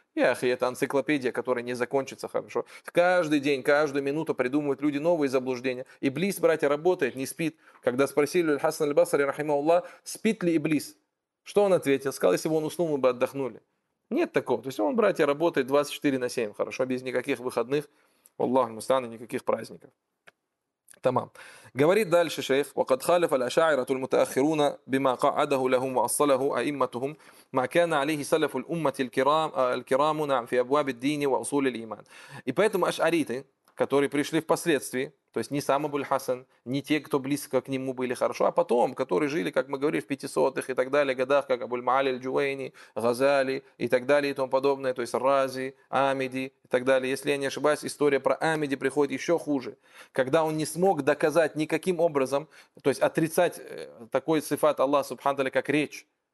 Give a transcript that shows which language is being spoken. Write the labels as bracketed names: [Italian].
[Russian] Эх, и это энциклопедия, которая не закончится хорошо. Каждый день, каждую минуту придумывают люди новые заблуждения. Иблис, братья, работает, не спит. Когда спросили Аль-Хасан Аль-Басри, рахимахуллах, спит ли Иблис? Что он ответил? Сказал, если бы он уснул, мы бы отдохнули. Нет такого. То есть он, братья, работает 24/7, хорошо, без никаких выходных, Аллах мустан, никаких праздников. Тамам. Говорит дальше шейх: [Arabic] وقد خالف الأشاعرة المتأخرون بما قعده لهم وأصله أئمتهم ما كان عليه سلف الأمة الكرام الكرام نعم في أبواب الدين وأصول الإيمان. [Russian] И поэтому ашариты, которые пришли впоследствии, то есть не сам Абуль-Хасан, не те, кто близко к нему были, хорошо, а потом, которые жили, как мы говорили, в 500-х и так далее годах, как Абуль-Маали аль-Джувейни, Газали и так далее и тому подобное, то есть Рази, Амиди и так далее. Если я не ошибаюсь, история про Амиди приходит еще хуже. Когда он не смог доказать никаким образом, то есть отрицать такой сифат Аллаха субханаху как речь.